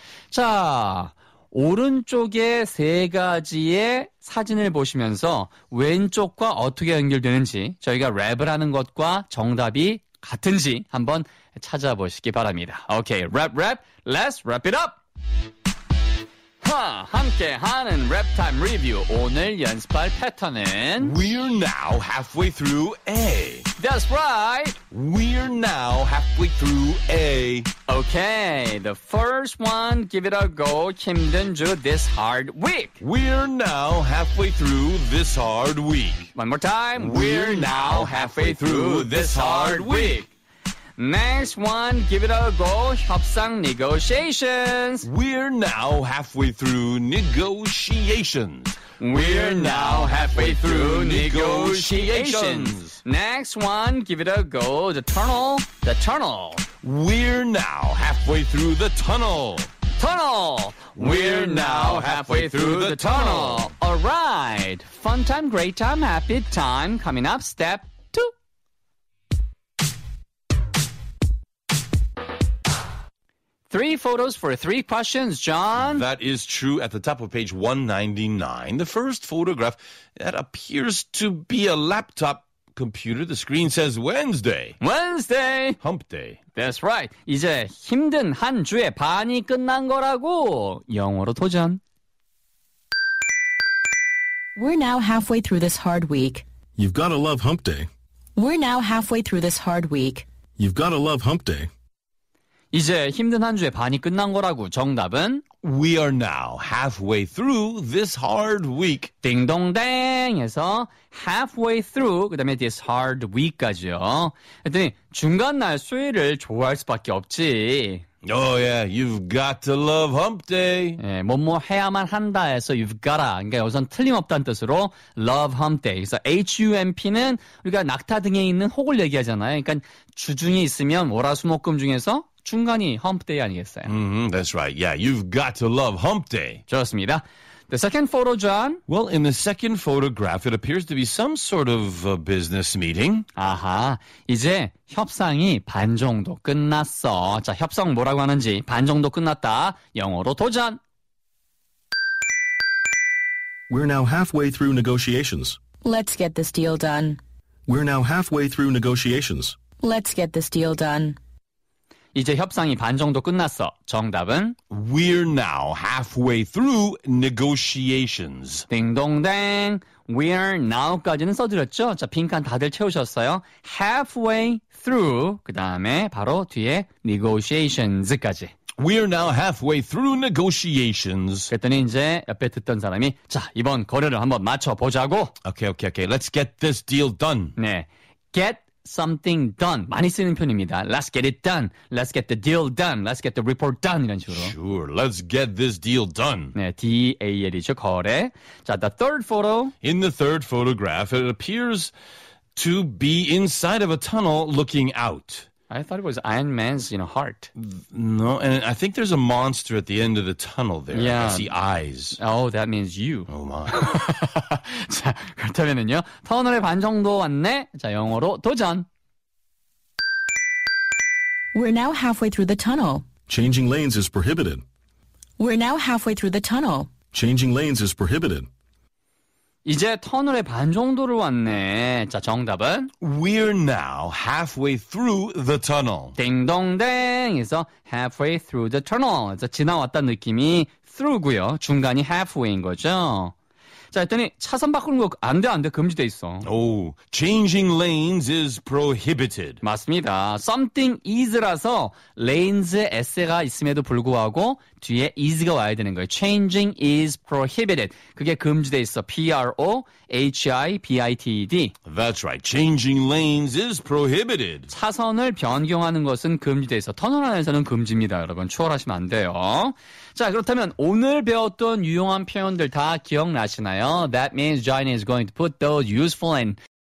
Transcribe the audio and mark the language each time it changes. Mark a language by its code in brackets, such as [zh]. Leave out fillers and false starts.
[ko] 자, 오른쪽에 세 가지의 사진을 보시면서 왼쪽과 어떻게 연결되는지 저희가 랩을 하는 것과 정답이 같은지 한번 찾아보시기 바랍니다. [en] 오케이, 랩 랩, let's wrap it up! [ko] 함께하는 랩타임 리뷰. 오늘 연습할 패턴은 [en] We're now halfway through A. That's right. We're now halfway through A. Okay, the first one, give it a go. [ko] 힘든 주 [en] this hard week. We're now halfway through this hard week. One more time. We're now halfway through this hard week. Next one, give it a go. [ko] 협상 [en] negotiations. We're now halfway through negotiations. We're now halfway through negotiations. Next one, give it a go. The tunnel. The tunnel. We're now halfway through the tunnel. Tunnel. We're now halfway through the tunnel. All right. Fun time, great time, happy time. Coming up, step two. Three photos for three questions, John. That is true at the top of page 199. The first photograph, that appears to be a laptop computer. The screen says Wednesday. Wednesday. Hump day. That's right. [ko] 이제 힘든 한 주의 반이 끝난 거라고 영어로 도전. [en] We're now halfway through this hard week. You've got to love hump day. We're now halfway through this hard week. You've got to love hump day. [ko] 이제 힘든 한 주의 반이 끝난 거라고 정답은 [en] We are now halfway through this hard week. [ko] 딩동댕에서 [en] halfway through [ko] 그다음에 [en] this hard week [ko] 까지요. 그랬더니 중간 날 수요일을 좋아할 수밖에 없지. [en] Oh yeah, you've got to love hump day. [ko] 예, 뭐뭐 해야만 한다 해서 [en] you've gotta. [ko] 그러니까 여기선 틀림없다는 뜻으로 [en] love hump day. [ko] 그래서 H-U-M-P는 우리가 낙타 등에 있는 혹을 얘기하잖아요. 그러니까 주중이 있으면 월화수목금 중에서 중간이 hump day 아니겠어요? [en] That's right. Yeah, you've got to love hump day. [ko] 좋습니다. [en] The second photo, John? Well, in the second photograph, it appears to be some sort of a business meeting. [ko] 아하, 이제 협상이 반 정도 끝났어. 자, 협상 뭐라고 하는지 반 정도 끝났다. 영어로 도전! [en] We're now halfway through negotiations. Let's get this deal done. We're now halfway through negotiations. Let's get this deal done. [ko] 이제 협상이 반 정도 끝났어. 정답은 [en] We're now halfway through negotiations. [ko] 딩동댕. We're now까지는 써드렸죠? 자, 빈칸 다들 채우셨어요. [en] Halfway through, [ko] 그 다음에 바로 뒤에 negotiations까지. [en] We're now halfway through negotiations. [ko] 그랬더니 이제 옆에 듣던 사람이 자, 이번 거래를 한번 맞춰보자고. [en] Okay, okay, okay. Let's get this deal done. [ko] 네, [en] get something done. [ko] 많이 쓰는 표현입니다. [en] Let's get it done. Let's get the deal done. Let's get the report done. [ko] 이런 식으로. [en] Sure. Let's get this deal done. [ko] 네, D-A-L이죠. 거래. 자, [en] the third photo. In the third photograph, it appears to be inside of a tunnel looking out. I thought it was Iron Man's, you know, heart. No, and I think there's a monster at the end of the tunnel there. Yeah. I see eyes. Oh, that means you. Oh, my. [ko] 자, 그렇다면은요. 터널의 반 정도 왔네. 자, 영어로 도전. [en] We're now halfway through the tunnel. Changing lanes is prohibited. We're now halfway through the tunnel. Changing lanes is prohibited. [ko] 이제 터널의 반 정도를 왔네. 자, 정답은? [en] We're now halfway through the tunnel. [ko] 딩동댕! 그래서 [en] halfway through the tunnel. [ko] 지나왔다는 느낌이 through고요. 중간이 halfway인 거죠. 자, 했더니 차선 바꾸는 거 안 돼, 안 돼. 금지돼 있어. [en] Oh, changing lanes is prohibited. [ko] 맞습니다. [en] Something is [ko] 라서 lanes에 s가 있음에도 불구하고 뒤에 is가 와야 되는 거예요. [en] Changing is prohibited. [ko] 그게 금지돼 있어. P-R-O-H-I-B-I-T-E-D. [en] That's right. Changing lanes is prohibited. [ko] 차선을 변경하는 것은 금지돼 있어. 터널 안에서는 금지입니다, 여러분. 초월하시면 안 돼요. 자, 그렇다면 오늘 배웠던 유용한 표현들 다 기억나시나요? [en] That means Johnny is going to put those useful in.